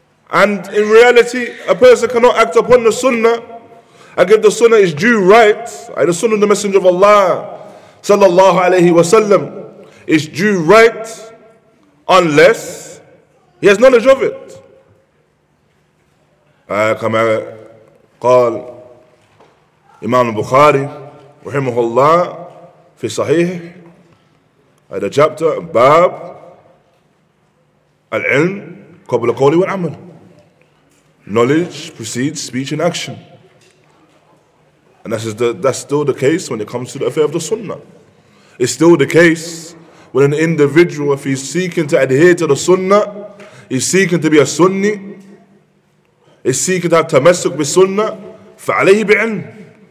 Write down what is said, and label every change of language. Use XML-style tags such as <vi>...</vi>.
<en>And in reality, a person cannot act upon the sunnah and give the sunnah its due right. The sunnah of the Messenger of Allah, sallallahu alaihi wasallam, its due right unless he has knowledge of it.</en> <ar>كما قال إمام البخاري رحمه الله في صحيح هذا chapter باب العلم قبل القول والعمل.</ar> <en>Knowledge precedes speech and action, and that's still the case when it comes to the affair of the sunnah. It's still the case when an individual, if he's seeking to adhere to the sunnah, he's seeking to be a sunni, is seeking to have tamassuk bi sunnah,</en> <ar>fa'alayhi bi'ilm.</ar>